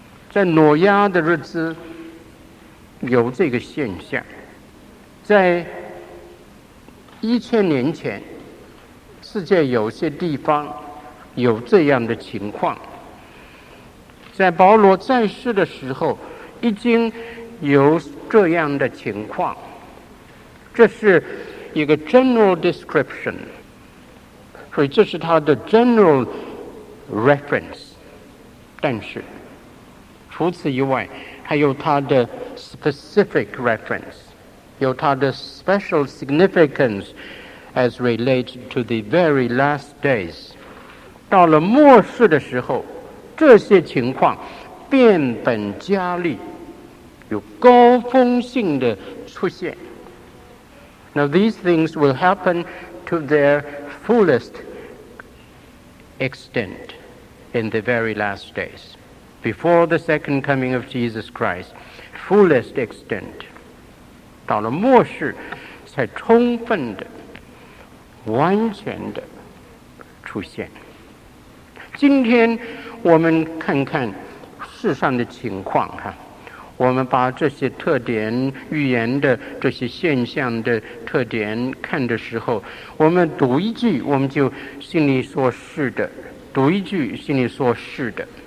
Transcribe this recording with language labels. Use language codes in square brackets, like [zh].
[zh] 在挪亚的日子有这个现象，在一千年前世界有些地方有这样的情况，在保罗在世的时候已经有这样的情况。这是一个 [en] general description， [zh] 所以这是他的 [en] general reference。 [zh] 但是除此以外还有他的 specific reference， 有他的 [en] special significance as related to the very last days。 [zh] 到了末世的时候，这些情况变本加厉，有高峰性的出现。 [en] Now these things will happen to their fullest extent in the very last days, before the second coming of Jesus Christ, fullest extent. [zh] 到了末世才充分的完全的出现。今天我们看看世上的情况哈，我们把这些特点预言的这些现象的特点看的时候，我们读一句我们就心里所示的，读一句心里所示的。